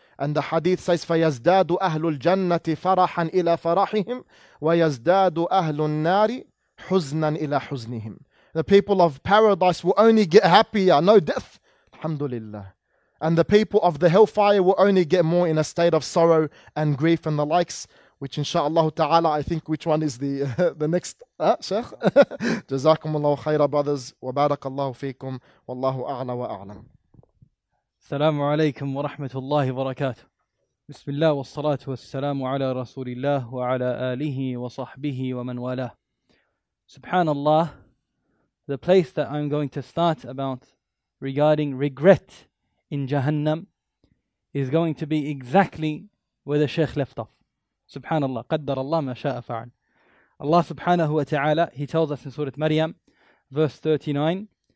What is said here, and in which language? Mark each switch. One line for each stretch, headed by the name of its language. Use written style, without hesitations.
English: And the hadith says,
Arabic: فَيَزْدَادُ أَهْلُ الْجَنَّةِ فَرَحًا إِلَى فَرَحِهِمْ وَيَزْدَادُ أَهْلُ النَّارِ حُزْنًا إِلَى حُزْنِهِمْ.
English: The people of paradise will only get happier, no death, alhamdulillah. And the people of the hellfire will only get more in a state of sorrow and grief and the likes, which inshaAllah ta'ala, I think which one is the next, Sheikh?
Arabic: جزاكم الله خير, brothers, وبارك الله فيكم, والله أعلى وأعلم. السلام عليكم ورحمة الله وبركاته. بسم الله والصلاة والسلام على رسول الله وعلى آله وصحبه ومن والاه. سبحان الله.
English: The place that I'm going to start about regarding regret in Jahannam is going to be exactly where the Shaykh left off.
Arabic: سبحان الله. قدر الله ما شاء فعل.
English: Allah سبحانه وتعالى, He tells us in Surah Maryam, verse 39.